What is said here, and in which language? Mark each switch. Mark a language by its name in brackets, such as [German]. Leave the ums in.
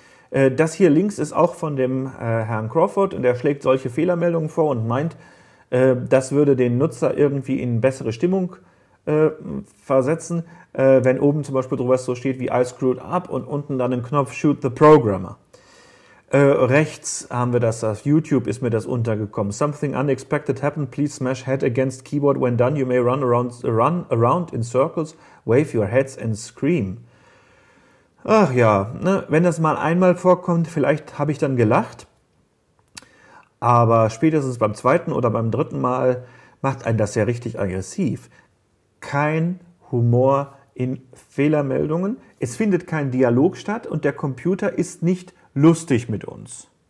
[German] Äh, das hier links ist auch von dem äh, Herrn Crawford und er schlägt solche Fehlermeldungen vor und meint, das würde den Nutzer irgendwie in bessere Stimmung äh, versetzen, äh, wenn oben zum Beispiel drüber so steht wie [English] I screwed up [German] und unten dann ein Knopf [English] Shoot the Programmer. [German] Äh, rechts haben wir das, auf YouTube ist mir das untergekommen. [English] Something unexpected happened, please smash head against keyboard. When done, you may run around, run around in circles, wave your heads and scream. [German] Ach ja, ne? wenn das mal einmal vorkommt, vielleicht habe ich dann gelacht. Aber spätestens beim zweiten oder beim dritten Mal macht ein das ja richtig aggressiv. Kein Humor in Fehlermeldungen. Es findet kein Dialog statt und der Computer ist nicht lustig mit uns.